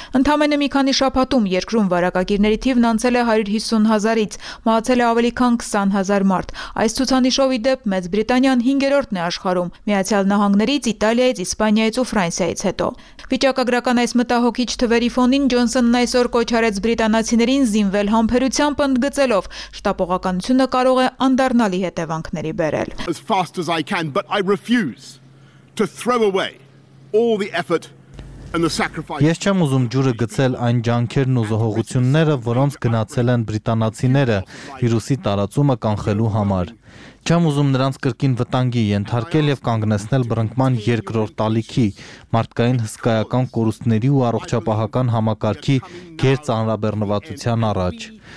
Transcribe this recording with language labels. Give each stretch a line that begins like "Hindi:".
Armenian: Ընդամենը մի քանի շաբաթում երկրում վարակագիրների թիվն անցել է 150 հազարից, մահացել է ավելի քան 20 հազար մարդ։ Այս ցուցանիշով ի դեպ Մեծ Բրիտանիան 5-րդն է աշխարհում, Միացյալ Նահանգներից, Իտալիայից, Իսպանիայից ու Ֆրանսիայից հետո։ Վիճակագրական այս մտահոգիչ թվերի ֆոնին Ջոնսոնն այսօր կոչ արեց բրիտանացիներին զինվել համբերությամբ ընդգծելով, շտապողականությունը կարող է անդառնալի հետևանքների բերել։
English: To throw away all the effort and the sacrifice.
Armenian: Ես չեմ ուզում ջուրը գցել այն ջանքերն ու զոհողությունները, որոնց գնացել են բրիտանացիները հիրուսի տարածումը կանխելու համար։ Չեմ ուզում նրանց կրկին վտանգի ենթարկել և կանգնեցնել բռնկման երկրորդ տալիքի, մարդկային հսկայական կորուստների ու առողջապահական համակարգի գերծանրաբեռնվածության առաջ։